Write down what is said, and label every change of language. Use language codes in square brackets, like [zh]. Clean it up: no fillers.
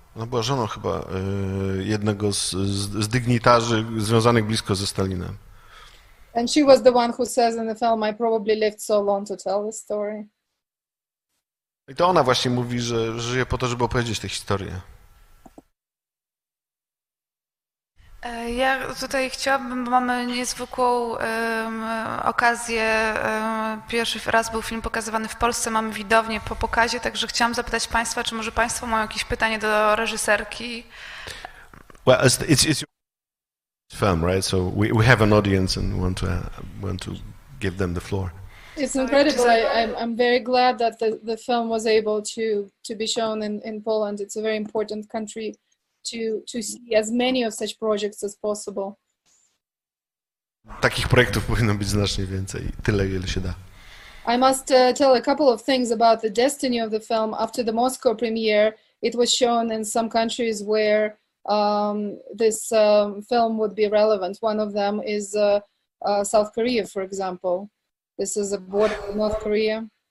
[pl] Ona była żoną chyba jednego z dygnitarzy związanych blisko ze Stalinem. [en] And she was the one who says in the film, I probably lived so long to tell the story. [pl] I to ona właśnie mówi, że żyje po to, żeby opowiedzieć tę historię. Ja tutaj chciałabym, bo mamy niezwykłą okazję, pierwszy raz był film pokazywany w Polsce, mamy widownię po pokazie, także chciałam zapytać Państwa, czy może Państwo mają jakieś pytanie do reżyserki? [en] Well, it's your film, right? So we have an audience and want to give them the floor. It's incredible. I'm very glad that the film was able to be shown in Poland. It's a very important country. To see as many of such projects as possible. [pl] Takich projektów powinno być znacznie więcej, tyle ile się da. [en] I must tell a couple of things about the destiny of the film. After the Moscow premiere, it was shown in some countries where this film would be relevant. One of them is South Korea, for example. This is a border with North Korea.